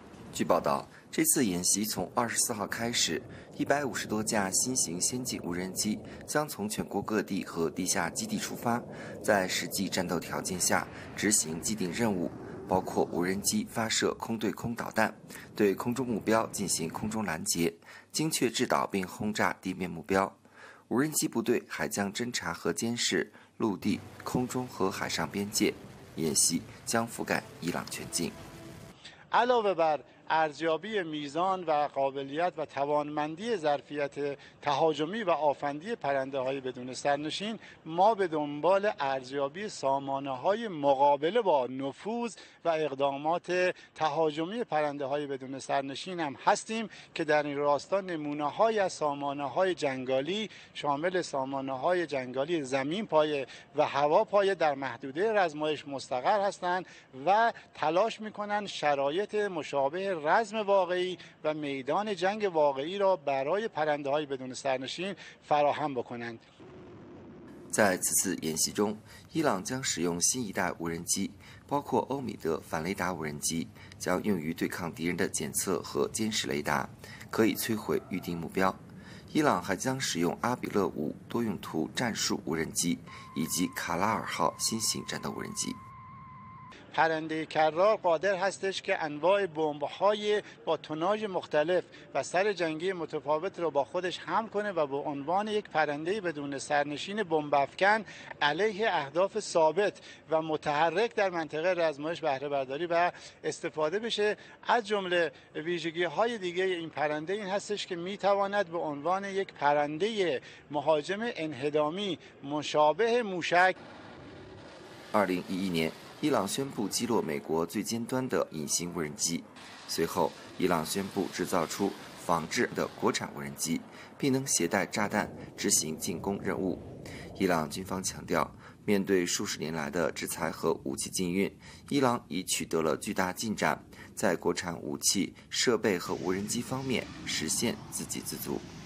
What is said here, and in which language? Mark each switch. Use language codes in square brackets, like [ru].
[zh] 据报道，这次演习从24号开始，150多架新型先进无人机将从全国各地和地下基地出发，在实际战斗条件下执行既定任务，包括无人机发射空对空导弹，对空中目标进行空中拦截，精确制导并轰炸地面目标。无人机部队还将侦察和监视陆地、空中和海上边界，演习将覆盖伊朗全境。 [fa] علاوه بر ارزیابی میزان و قابلیت و توانمندی ظرفیت تهاجمی و آفندی پرنده های بدون سرنشین ما به دنبال ارزیابی سامانه های مقابله با نفوذ و اقدامات تهاجمی پرنده های بدون سرنشین هم هستیم که در این راستا نمونه های سامانه های جنگالی شامل سامانه های جنگالی زمین پایه و هوا پایه در محدوده رزمایش مستقر هستند و تلاش میکنن شرایط مشابه رزم واقعی و میدان جنگ واقعی را برای پرنده های بدون سرنشین فراهم بکنند. [zh] 在此次演习中，伊朗将使用新一代无人机，包括欧米德反雷达无人机，将用于对抗敌人的检测和监视雷达，可以摧毁预定目标。伊朗还将使用阿比勒五多用途战术无人机以及卡拉尔号新型战斗无人机。 [fa] پرنده کرار قادر هستش که انواع بمب‌های با توناژ مختلف و سر جنگی متفاوت رو با خودش حمل کنه و به عنوان یک پرنده بدون سرنشین بمب‌افکن علیه اهداف ثابت و متحرک در منطقه رزمایش بهره برداری و استفاده بشه. از جمله ویژگی‌های دیگه این پرنده این هستش که میتواند به عنوان یک پرنده مهاجم انهدامی مشابه موشک [zh] 2011年伊朗宣布击落美国最尖端的隐形无人机，随后伊朗宣布制造出仿制的国产无人机，并能携带炸弹执行进攻任务。伊朗军方强调，面对数十年来的制裁和武器禁运，伊朗已取得了巨大进展，在国产武器设备和无人机方面实现自给自足。